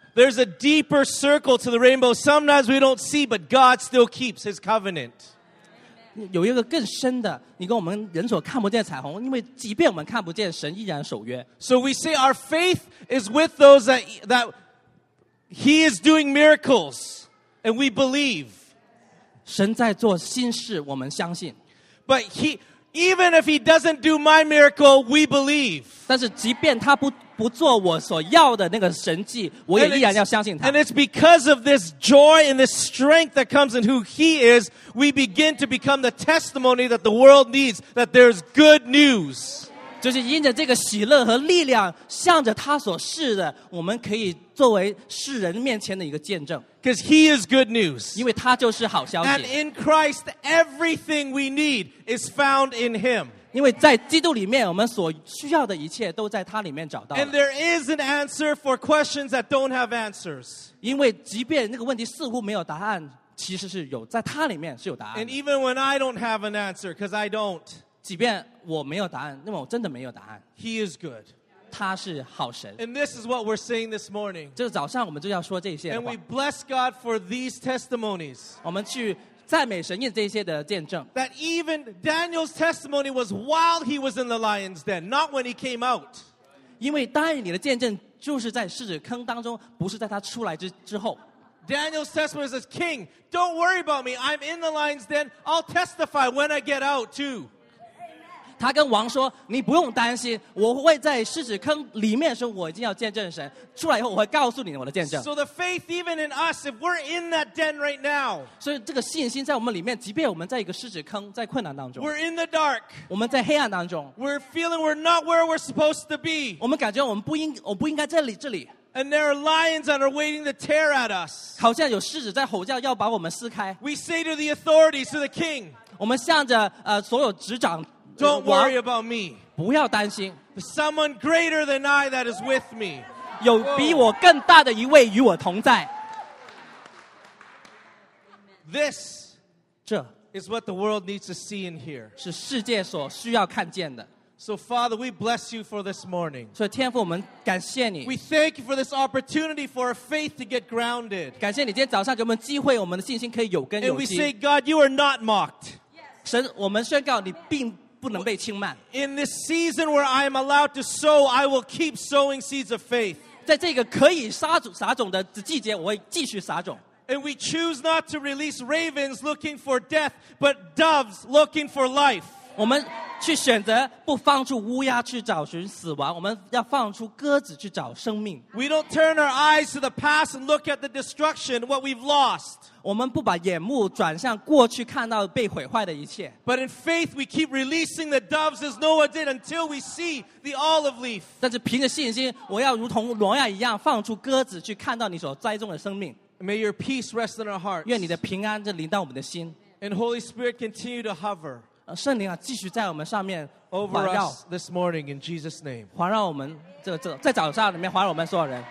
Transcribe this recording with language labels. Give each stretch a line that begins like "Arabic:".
English: There's a deeper circle to the rainbow. Sometimes we don't see, but God still keeps His covenant.
Chinese: 有一个更深的，你跟我们人所看不见的彩虹，因为即便我们看不见，神依然守约。
English: So we say our faith is with those that He is doing miracles, and we believe.
Chinese: 神在做新事，我们相信。
English: But He, even if He doesn't do my miracle, we believe.
Chinese: 但是即便他不做我所要的那个神迹，我也依然要相信他。
English: And it's because of this joy and this strength that comes in who He is, we begin to become the testimony that the world needs, that there's good news.
Chinese: 就是因着这个喜乐和力量，向着他所示的，我们可以作为世人面前的一个见证。
English: Because He is good news.
Chinese: 因为他就是好消息。
English: And in Christ, everything we need is found in Him.
Chinese: 因为在基督里面，我们所需要的一切都在他里面找到。
English: And there is an answer for questions that don't have answers.
Chinese: 因为即便那个问题似乎没有答案，其实是有在他里面是有答案。
English: And even when I don't have an answer, because I don't.
Chinese: 即便我没有答案，那么我真的没有答案。
English: He is good.
Chinese: 他是好神。
English: And this is what we're saying this morning.
Chinese: 这早上我们就要说这些话。
English: And we bless God for these testimonies.
Chinese: 我们去。赞美神，因这些的见证。
English: That even Daniel's testimony was while he was in the lion's den, not when he came out.
Chinese: 因为丹尼的见证就是在狮子坑当中，不是在他出来之后。
English: Daniel's testimony says, "King, don't worry about me. I'm in the lion's den. I'll testify when I get out too."
Chinese: 他跟王说：“你不用担心，我会在狮子坑里面的时候，我已经要见证神。出来以后，我会告诉你我的见证。”
English: So the faith even in us, if we're in that den right now,
Chinese: 所以这个信心在我们里面，即便我们在一个狮子坑，在困难当中
English: ，we're in the dark,
Chinese: 我们在黑暗当中
English: ，we're feeling we're not where we're supposed to be,
Chinese: 我们感觉我不应该在这里。
English: And there are lions that are waiting to tear at us.
Chinese: 好像有狮子在吼叫，要把我们撕开。
English: We say to the authorities, to the king,
Chinese: 我们向着所有执掌。
English: Don't worry about me.
Chinese: 不要担心。
English: Someone greater than I that is with me.
Chinese: 有比我更大的一位与我同在。
English: This,
Chinese: 这
English: is what the world needs to see and hear.
Chinese: 是世界所需要看见的。
English: So Father, we bless you for this morning.
Chinese: 所以天父，我们感谢你。
English: We thank you for this opportunity for our faith to get grounded.
Chinese: 感谢你今天早上给我们机会，我们的信心可以有根有基。
English: And we say, God, you are not mocked.
Chinese: 神，我们宣告你并不能被轻慢。
English: In this season where I am allowed to sow, I will keep sowing seeds of faith.
Chinese: 在这个可以撒种的季节，我会继续撒种。
English: And we choose not to release ravens looking for death, but doves looking for life.
Chinese: 我们去选择不放出乌鸦去找寻死亡，我们要放出鸽子去找生命。
English: We don't turn our eyes to the past and look at the destruction, what we've lost.
Chinese: 我们不把眼目转向过去，看到被毁坏的一切。
English: But in faith, we keep releasing the doves as Noah did until we see the olive leaf.
Chinese: 但是凭着信心，我要如同挪亚一样，放出鸽子去看到你所栽种的生命。
English: May your peace rest in our hearts.
Chinese: 愿你的平安就临到我们的心。
English: And Holy Spirit continue to hover.
Chinese: 圣灵啊，继续在我们上面
English: Over us this morning in Jesus' name.
Chinese: 环绕我们这在早上里面环绕我们所有人。